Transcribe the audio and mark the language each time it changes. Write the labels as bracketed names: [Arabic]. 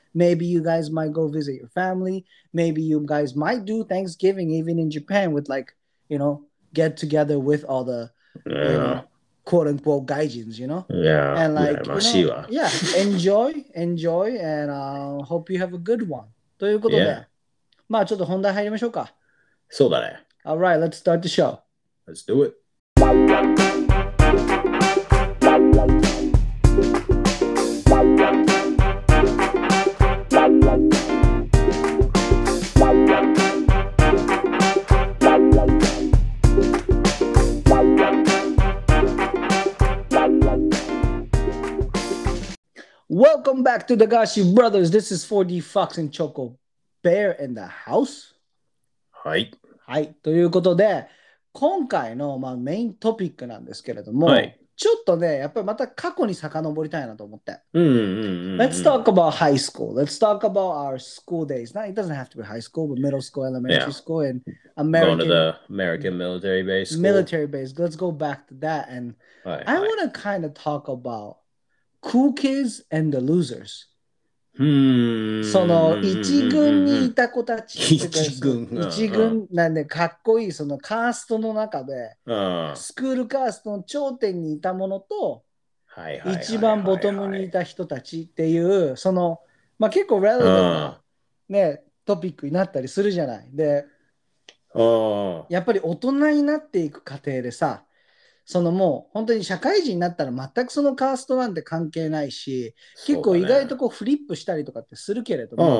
[English] Maybe you guys might go visit your family. Maybe you guys might do Thanksgiving even in Japan with like, you know, get together with all the, you know, quote unquote, gaijins, you know? Yeah. And like, yeah, you know, yeah, enjoy, and hope you have a good one. [Japanese] ということで、まあちょっと本題入りましょうか。そうだね。 [English] All right, let's start the show. Let's do it. Welcome back to the Gashi Brothers. This is 4D Fox and Choco Bear in the house. [Japanese] はい、はい、ということで今回の、まあ、メイントピックなんですけれども、はい、ちょっとねやっぱりまた過去に遡りたいなと思って、うんうんうんうん、 [English] Let's talk about high school. Let's talk about our school days. Now, it doesn't have to be high school, but middle school, elementary、yeah. school and American, going to the American military base school. Military base. Let's go back to that. And、はい、 I want to kind of talk about cool kids and the losers. [Japanese] その一軍にいた子たち一軍なんでかっこいいそのカーストの中でスクールカーストの頂点にいたものと一番ボトムにいた人たちっていうその、まあ、結構レレなねトピックになったりするじゃないで、やっぱり大人になっていく過程でさそのもう本当に社会人になったら全くそのカーストなんて関係ないし、ね、結構意外とこうフリップしたりとかってするけれども、